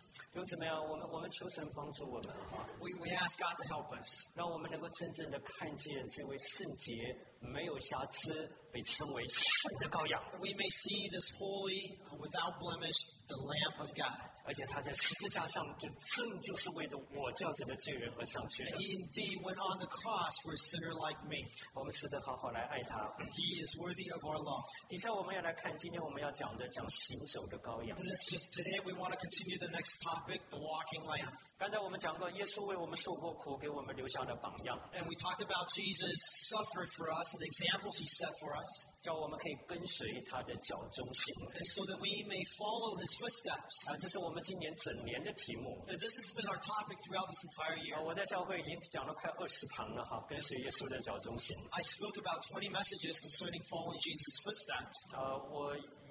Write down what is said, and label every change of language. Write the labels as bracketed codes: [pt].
[zh] 弟兄姊妹，我们求神帮助我们。 [en] We ask God to help us. [zh] 让我们能够真正的看见这位圣洁、没有瑕疵、被称为圣的羔羊。 [en] We may see this holy, without blemish, the Lamb of God. [zh] 而且他在十字架上，就是为着我这样子的罪人而上去了。 [en] He indeed went on the cross for a sinner like me. [zh] 我们值得好好来爱他。 [en] He is worthy of our love. [zh] 底下我们要来看今天我们要讲的，讲行走的羔羊。 [en] This is today we want to continue the next topic, the walking lamb. [zh] 刚才我们讲过耶稣为我们受过苦，给我们留下的榜样。 [en] And we talked about Jesus suffered for us and the examples he set for us. [zh] 叫我们可以跟随他的脚中行。 [en] And so that we may follow his footsteps. [zh] 这是我们今年整年的题目。 [en] And this has been our topic throughout this entire year. [zh] 我在教会已经讲了快20堂了，跟随耶稣的脚中行。 [en] I spoke about 20 messages concerning following Jesus' footsteps.